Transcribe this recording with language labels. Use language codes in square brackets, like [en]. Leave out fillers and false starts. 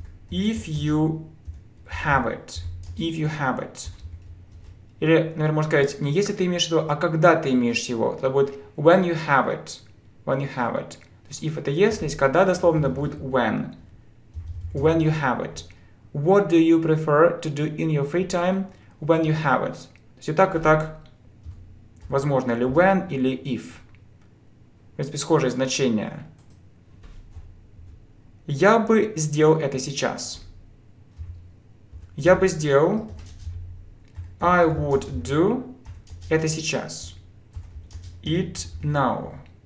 [en] If you have it. If you have it. [ru] Или, наверное, можно сказать, не если ты имеешь его, а когда ты имеешь его. Это будет [en] when you have it. When you have it. [ru] То есть, if это если, когда, дословно, будет when. [en] When you have it. What do you prefer to do in your free time when you have it? [ru] То есть, и так, возможно, или when, или if. В принципе, схожие значения. Я бы сделал это сейчас. Я бы сделал... [en] I would do [ru] это сейчас. [en] It now.